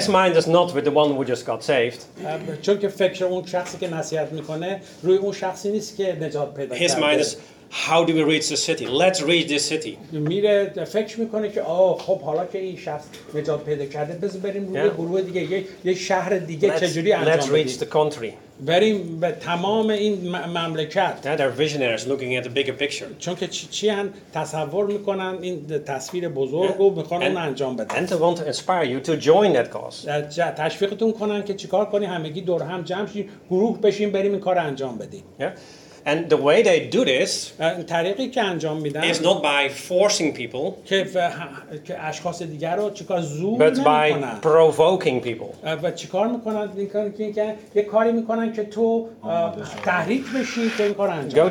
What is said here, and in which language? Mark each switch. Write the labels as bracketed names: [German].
[English] His mind is not with the one who just got saved. [Persian] چون که فکر اون شخصی که نصیحت میکنه روی اون شخصی نیست که نجات پیدا کرده. [English] His mind is how do we reach the city? Let's reach this city. [Persian] میره فکر میکنه که آه خب حالا که این شخص نجات پیدا کرده بذار بریم روی گروه دیگه یه شهر دیگه چجوری انجام بدیم. [English] Let's reach the country. [Persian] بریم به تمام این مملکت. [English] Yeah, they're visionaries looking at the bigger picture. [Persian] چون که چی هن تصور میکنن این تصویر بزرگ رو میخوان اون انجام بدن. [English] And they want to inspire you to join that cause. [Persian] تشویقتون کنن که چیکار کنی همگی دور هم جمع شید گروه بشین بریم این کار انجام بدیم. [English] Yeah. And the way they do this [Persian] طریقی که انجام میدن [English] is not by forcing people [Persian] که اشخاص دیگر رو چیکار زور نمیکنن [English] but by provoking people [Persian] و چیکار میکنن اینکه یه کاری میکنن که تو تحریک بشی که این کار انجام